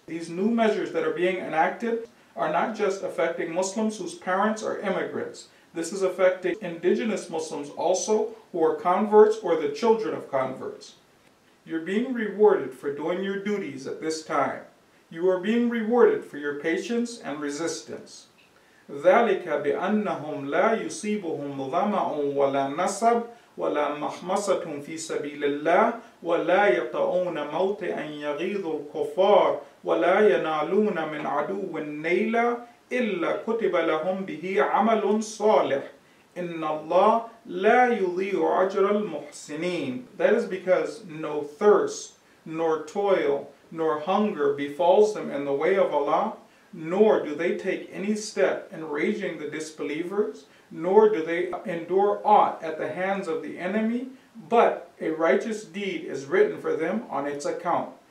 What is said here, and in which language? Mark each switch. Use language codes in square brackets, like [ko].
[en] These new measures that are being enacted are not just affecting Muslims whose parents are immigrants. This is affecting indigenous Muslims also, who are converts or the children of converts. You're being rewarded for doing your duties at this time. You are being rewarded for your patience and resistance. [ar] ذلك بأنهم لا يصيبهم ظمأ ولا نصب ولا مخمصة في سبيل الله ولا يطؤون موطئا يغيظ الكفار ولا ينالون من عدو نيلا إلا كتب لهم به عمل صالح إن الله لا يضيع أجر المحسنين. [en] That is because no thirst, nor toil, nor hunger befalls them in the way of Allah, nor do they take any step in raging the disbelievers, nor do they endure aught at the hands of the enemy, but a righteous deed is written for them on its account.